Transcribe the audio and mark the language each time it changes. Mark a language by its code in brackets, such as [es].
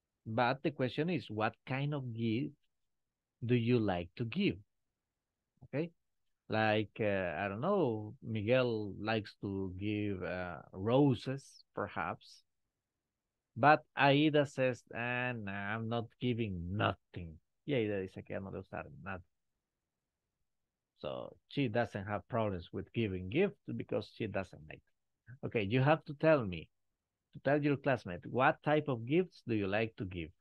[en] But the question is, what kind of gift do you like to give? Okay? Like, I don't know, Miguel likes to give roses, perhaps. But Aida says, nah, I'm not giving nothing. [es] Y Aida dice que ya no le gusta nada. [en] So she doesn't have problems with giving gifts because she doesn't like it. Okay, you have to tell me, to tell your classmate, what type of gifts do you like to give?